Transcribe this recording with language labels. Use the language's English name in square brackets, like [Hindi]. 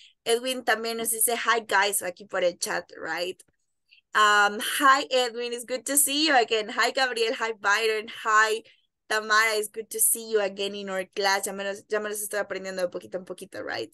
[Spanish] Edwin también nos dice [English] hi guys [Spanish] aquí por el chat, right? [English] Hi Edwin, it's good to see you again. Hi Gabriel, hi Byron, hi Tamara, it's good to see you again in our class. [Spanish] Ya me los estoy aprendiendo de poquito en poquito, right?